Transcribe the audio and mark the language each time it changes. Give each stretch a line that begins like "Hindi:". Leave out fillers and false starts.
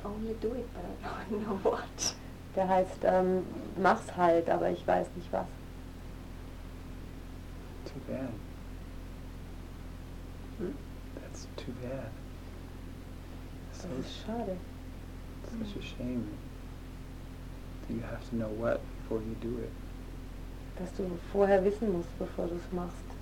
English: Only do it, but I don't know what.
German: Der heißt, mach's halt, aber ich weiß nicht was.
English: Too bad. That's too bad.
German: So das ist schade.
English: Such a shame. You have to know what before you do it.
German: Dass du vorher wissen musst, bevor du es machst.